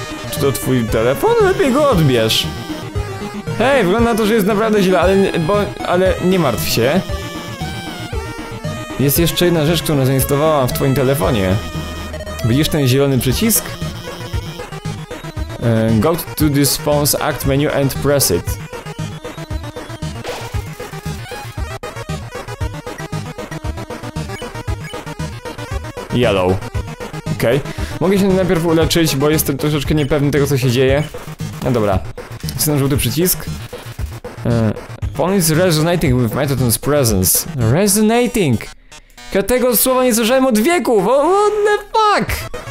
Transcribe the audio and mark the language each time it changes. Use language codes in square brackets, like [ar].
[pl] Czy to twój telefon? Lepiej go odbierz. Hej, wygląda na to, że jest naprawdę źle, ale nie martw się. Jest jeszcze jedna rzecz, którą zainstalowałam w twoim telefonie. Widzisz ten zielony przycisk? [en] Go to this phone's act menu and press it. Yellow. Okej. [pl] Mogę się najpierw uleczyć, bo jestem troszeczkę niepewny tego, co się dzieje. No dobra. Jest ten żółty przycisk. [en] Phone is resonating with Metaton's presence. Resonating! [pl] Ja tego słowa nie słyszałem od wieków! [en] Oh, what the fuck!